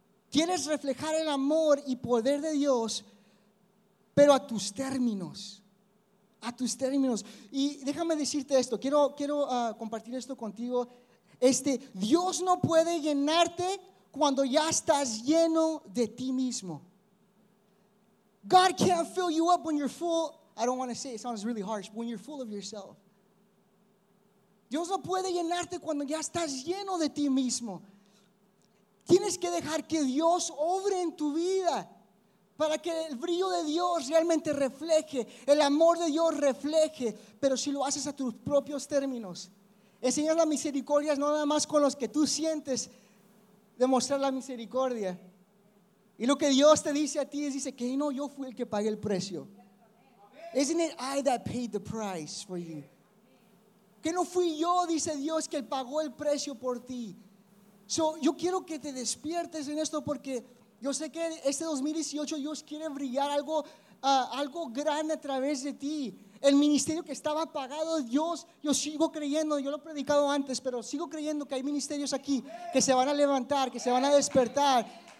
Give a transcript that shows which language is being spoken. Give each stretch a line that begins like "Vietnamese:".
Spanish: Quieres reflejar el amor y poder de Dios, pero a tus términos. A tus términos. Y déjame decirte esto. Quiero compartir esto contigo. Dios no puede llenarte cuando ya estás lleno de ti mismo.
English: God can't fill you up when you're full. I don't want to say it, sounds really harsh. When you're full of yourself.
Spanish: Dios no puede llenarte cuando ya estás lleno de ti mismo. Tienes que dejar que Dios obre en tu vida para que el brillo de Dios realmente refleje, el amor de Dios refleje. Pero si lo haces a tus propios términos, enseñas la misericordia no nada más con los que tú sientes demostrar la misericordia. Y lo que Dios te dice a ti es, dice que no, yo fui el que pagué el precio.
English: Isn't it I that paid the price for you?
Spanish: Que no fui yo, dice Dios, que pagó el precio por ti. So, yo quiero que te despiertes en esto porque yo sé que este 2018 Dios quiere brillar algo grande a través de ti. El ministerio que estaba apagado, Dios, yo sigo creyendo, yo lo he predicado antes, pero sigo creyendo que hay ministerios aquí que se van a levantar, que se van a despertar.